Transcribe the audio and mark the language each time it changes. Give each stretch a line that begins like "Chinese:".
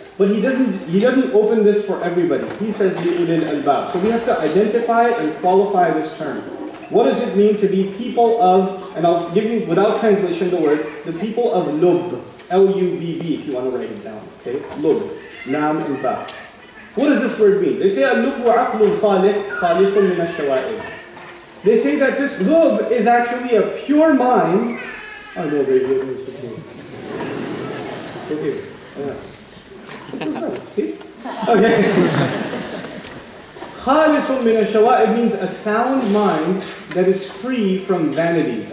English: But he doesn't open this for everybody. He says
Arabic: لِأُولِي الْأَلْبَابِ.
English: So we have to identify and qualify this term. What does it mean to be people of, and I'll give you without translation the word, the people of lub, L-U-B-B if you want to write it down, okay? Lub, nam and ba. What does this word mean? They say
Arabic: اللُّبُ عَقْلٌ صَالِحٌ خَالِصٌ مِنَ الشَّوَائِبِ.
English: They say that this lub is actually a pure mind. Oh no, baby, it's okay. It's okay, yeah. See? Okay.
Arabic: خَالِصٌ مِنَ الشَّوَائِبِ
English: means a sound mind that is free from vanities.